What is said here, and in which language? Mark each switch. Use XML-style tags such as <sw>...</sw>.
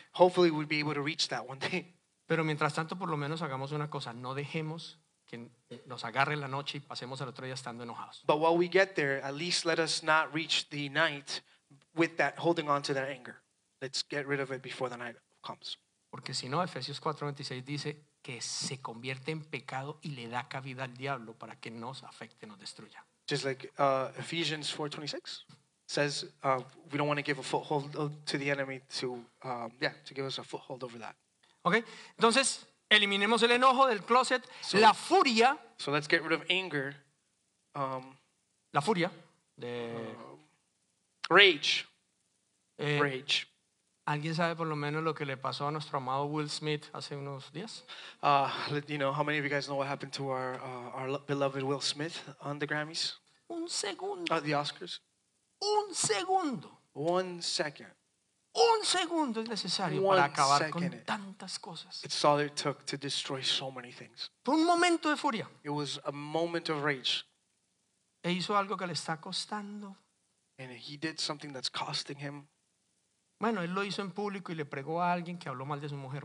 <en>Hopefully we'd be able to reach that one day.</en> <es>Pero mientras tanto, por lo menos hagamos una cosa. No dejemos que nos agarre la noche y pasemos al otro día estando enojados.</es> <en>But while we get there, at least let us not reach the night with that, holding on to that anger. Let's get rid of it before the night comes.</en> <es>Porque si no, Efesios 4:26 dice que se convierte en pecado y le da cabida al diablo para que nos afecte, nos destruya.</es> <en>Just like Ephesians 4:26 says, we don't want to give a foothold to the enemy to give us a foothold over that.</en> <es>Okay, entonces eliminemos el enojo del closet, so, la furia.</es> <en>So let's get rid of anger.</en> <es>La furia de</es> <en>rage. Rage.</en> <es>¿Alguien sabe por lo menos lo que le pasó a nuestro amado Will Smith hace unos días?</es> <en>You know, how many of you guys know what happened to our beloved Will Smith on the Grammys?</en> <es>Un segundo.</es> <en>The Oscars.</en> <es>Un segundo.</es> <en>One second.</en> <es>Un segundo es necesario</es> <en>one</en> <es>para acabar con tantas cosas.</es> <en>It's all it took to destroy so many things.</en> <es>Un momento de furia.</es> <en>It was a moment of rage.</en> <es>E hizo algo que le está costando.</es> <en>And he did something that's costing him.</en> <es>Bueno, él lo hizo en público y le pregó a alguien que habló mal de su mujer.</es>